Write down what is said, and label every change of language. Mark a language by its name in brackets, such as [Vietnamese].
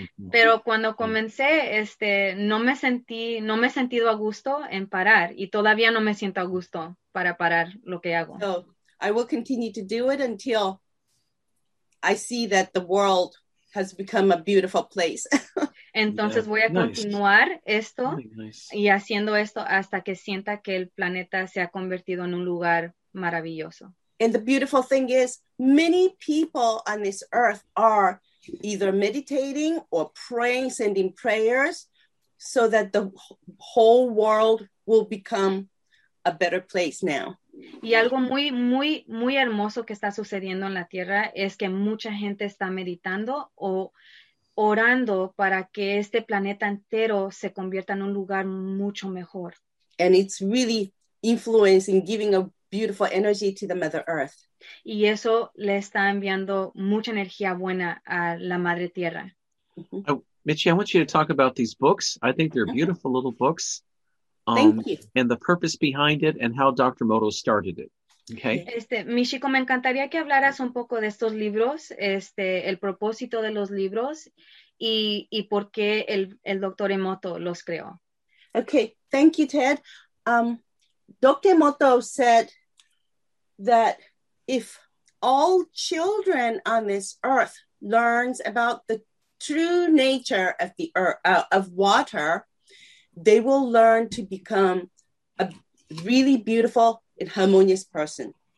[Spanish] Pero cuando comencé, no me he sentido a gusto en parar, y todavía no me siento a gusto para parar lo que hago. [English] So I will continue to do it until I see that the world has become a beautiful place. [Spanish] Entonces voy a continuar esto y haciendo esto hasta que sienta que el planeta se ha convertido en un lugar maravilloso. [English] And the beautiful thing is, many people on this earth are either meditating or praying, sending prayers, so that the whole world will become a better place now. [Spanish] Y algo muy, muy, muy hermoso que está sucediendo en la Tierra es que mucha gente está meditando o orando para que este planeta entero se convierta en un lugar mucho mejor. [English] And it's really influencing, giving a beautiful energy to the Mother Earth. [Spanish] Y eso le está enviando mucha energía buena a la Madre Tierra. [English] Michi, I want you to talk about these books. I think they're beautiful little books. Thank you. And the purpose behind it and how Dr. Moto started it. Okay. [Spanish] Michiko, me encantaría que hablaras un poco de estos libros, el propósito de los libros y por qué el Dr. Emoto los creó. [English] Okay, thank you, Ted. Dr. Emoto said that if all children on this earth learns about the true nature of the earth, of water, they will learn to become a really beautiful and harmonious person.